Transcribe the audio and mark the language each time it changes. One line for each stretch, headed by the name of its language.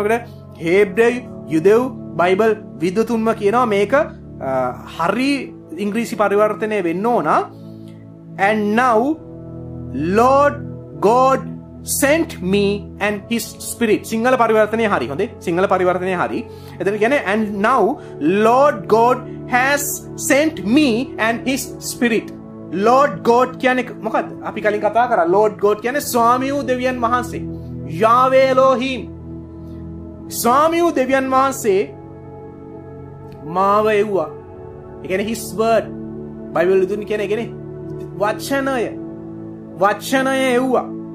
Sinhala: මොකද Hebrew යුදෙව් Bible විදුතුන්ම කියනවා මේක හරි ඉංග්‍රීසි පරිවර්තනය වෙන්න ඕන.
English: And now Lord God sent me and his spirit.
Sinhala: Sinhala පරිවර්තනය හරි. හොඳේ. සිංහල පරිවර්තනය හරි. එතන කියන්නේ
English: and now Lord God has sent me and his spirit.
Sinhala: Load ගෝඩ් කියන්නේ මොකද්ද? අපි කලින් කතා කරා ලෝඩ් ගෝඩ් කියන්නේ ස්වාමී වූ දෙවියන් වහන්සේ. යාවේ එලෝහීම්. ස්වාමී වූ දෙවියන් වහන්සේ මාව එව්වා. ඒ කියන්නේ
English: his word.
Sinhala: බයිබලෙ දුන්නේ කියන්නේ ඒ කියන්නේ වචනය. වචනය එව්වා.